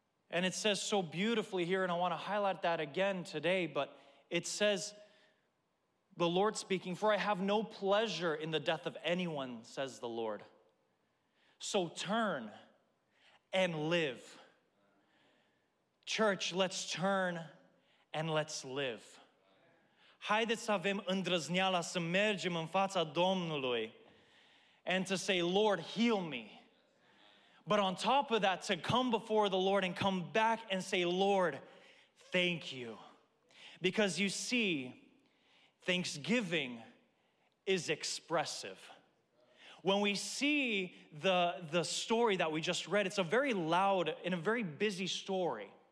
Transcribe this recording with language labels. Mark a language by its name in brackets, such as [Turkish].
[English] And it says so beautifully here, and I want to highlight that again today, but it says, the Lord speaking, for I have no pleasure in the death of anyone, says the Lord. So turn and live. Church, let's turn and let's live. [Romanian] Haideți să avem îndrăzneala să mergem în fața Domnului and to say, Lord, heal me. [English] But on top of that, to come before the Lord and come back and say, Lord, thank you. Because you see, thanksgiving is expressive. When we see the story that we just read, it's a very loud and a very busy story.